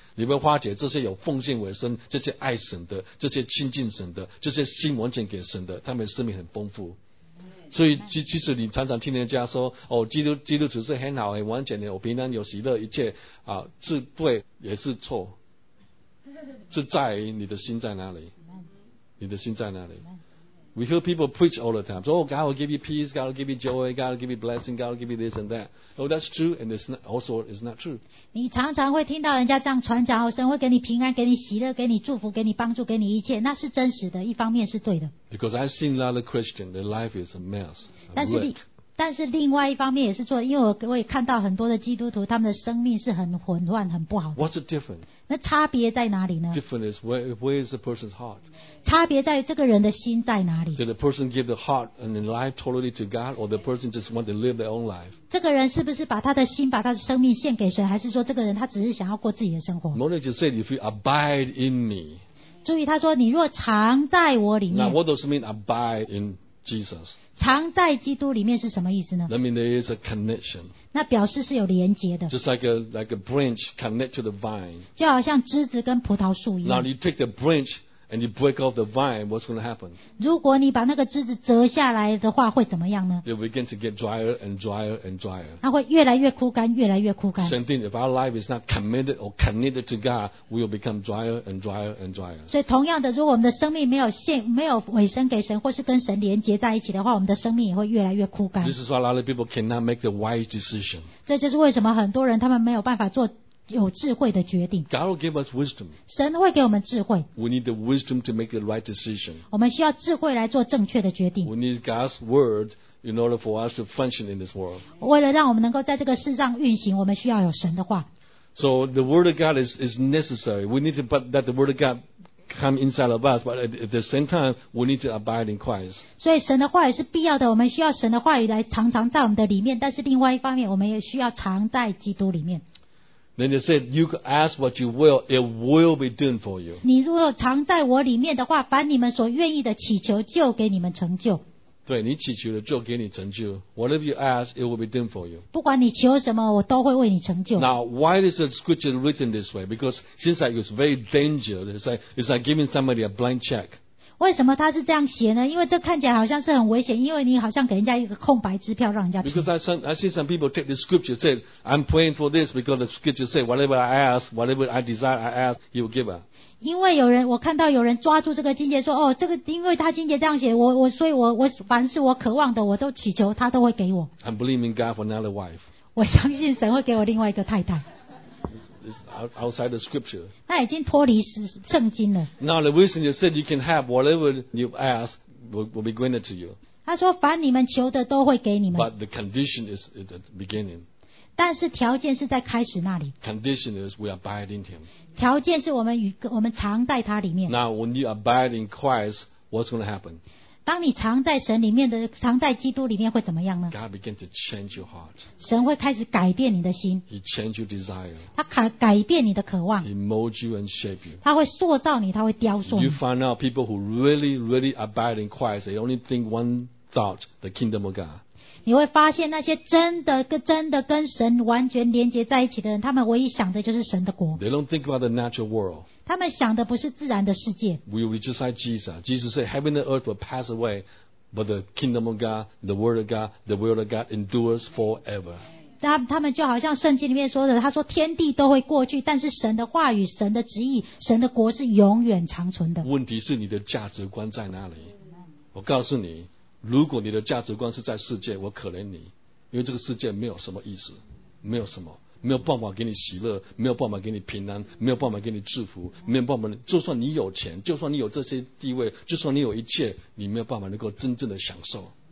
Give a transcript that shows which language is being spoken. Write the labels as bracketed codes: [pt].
[zh] 你会发觉这些有奉献为生，这些爱神的，这些亲近神的，这些心完全给神的，他们生命很丰富。所以其实你常常听人家说，哦，基督徒是很好很完全的，我平安有喜乐，一切啊，是对也是错，是在于你的心在哪里，你的心在哪里。 [en] We hear people preach all the time. So, oh, God will give you peace, God will give you joy, God will give you blessing, God will give you this and that. Oh, that's true, and it's not true. [zh] 你常常会听到人家这样传讲，哦，神会给你平安，给你喜乐，给你祝福，给你帮助，给你一切，那是真实的，一方面是对的。 [en] Because I've seen a lot of Christians, their life is a mess. [zh] 但是但是另外一方面也是做，因为我也看到很多的基督徒，他们的生命是很混乱、很不好的。 [en] What's the difference? [zh] 那差别在哪里呢 [en] ？Difference is where is the person's heart? [zh] 差别在于这个人的心在哪里 [en] ？Did the person give the heart and life totally to God, or the person just want to live their own life? [zh] 这个人是不是把他的心、把他的生命献给神，还是说这个人他只是想要过自己的生活 [en] ？Knowledge said, if you abide in me. [zh] 注意，他说你若常在我里面。 [en] Now, what does it mean abide in? Jesus. [zh] 藏在基督里面是什么意思呢 [en] ？That means there is a connection. [zh] 那表示是有连接的。 [en] Just like a branch connect to the vine. [zh] 就好像枝子跟葡萄树一样。 [en] Now you take the branch and you break off the vine. What's going to happen? [zh] 如果你把那个枝子折下来的话，会怎么样呢 [en] ？It begins to get drier and drier and drier. [zh] 它会越来越枯干，越来越枯干。 [en] Same thing. If our life is not committed or connected to God, we will become drier and drier and drier. [zh] 所以同样的，如果我们的生命没有献、没有委身给神，或是跟神连接在一起的话，我们的生命也会越来越枯干。 [en] This is why a lot of people cannot make the wise decision. [zh] 这就是为什么很多人他们没有办法做。有智慧的决定。 [en] God will give us wisdom. [zh] 神会给我们智慧。 [en] We need the wisdom to make the right decision. [zh] 我们需要智慧来做正确的决定。 [en] We need God's word in order for us to function in this world. [zh] 为了让我们能够在这个世上运行，我们需要有神的话。 [en] So the word of God is necessary. We need to put that the word of God. Come inside of us, but at the same time, we need to abide in Christ. [zh] 所以神的话语是必要的，我们需要神的话语来常常在我们的里面。但是另外一方面，我们也需要常在基督里面。 [en] Then they said, "You ask what you will; it will be done for you." [zh] 你如果常在我里面的话，凡你们所愿意的祈求，就给你们成就。对你祈求的，就给你成就。 [en] Whatever you ask, it will be done for you. [zh] 不管你求什么，我都会为你成就。 [en] Now, why is the scripture written this way? Because since it was very dangerous, it's like giving somebody a blank check. [zh] 为什么他是这样写呢？因为这看起来好像是很危险，因为你好像给人家一个空白支票，让人家。 [en] Because I see some people take the scripture said, "I'm praying for this because the scripture said, whatever I ask, whatever I desire, I ask, He will give it." [zh] 因为有人，我看到有人抓住这个经节说，哦，这个，因为他经节这样写，所以我凡是我渴望的，我都祈求，他都会给我。 [en] I'm believing God for another wife. [zh] 我相信神会给我另外一个太太。 [en] It's outside the scripture. [zh] 那已经脱离圣经了。 [en] Now the reason you said you can have whatever you ask will be granted to you. [zh] 他说，凡你们求的都会给你们。 [en] But the condition is at the beginning. [zh] 但是条件是在开始那里。 [en] Condition is we abide in Him. [zh] 条件是我们常在他里面。 [en] Now when you abide in Christ, what's going to happen? [zh] 当你常在神里面的常在基督里面会怎么样呢 [en] ？God begins to change your heart. [zh] 神会开始改变你的心。 [en] He changes your desire. [zh] 他改变你的渴望。 [en] He molds you and shapes you. [zh] 他会塑造你，他会雕塑你。 [en] You find out people who really, really abide in Christ, they only think one thought: the kingdom of God. [zh] 你会发现那些真的跟神完全连接在一起的人，他们唯一想的就是神的国。 [en] They don't think about the natural world. [zh] 他们想的不是自然的世界。 [en] We will be just like Jesus. Jesus said, "Heaven and earth will pass away, but the kingdom of God, the word of God, the will of God endures forever." [zh] 他们就好像圣经里面说的，他说天地都会过去，但是神的话语、神的旨意、神的国是永远长存的。问题是你的价值观在哪里？我告诉你。如果你的价值观是在世界，我可怜你，因为这个世界没有什么意思，没有什么，没有办法给你喜乐，没有办法给你平安，没有办法给你祝福，没有办法，就算你有钱，就算你有这些地位，就算你有一切，你没有办法能够真正的享受。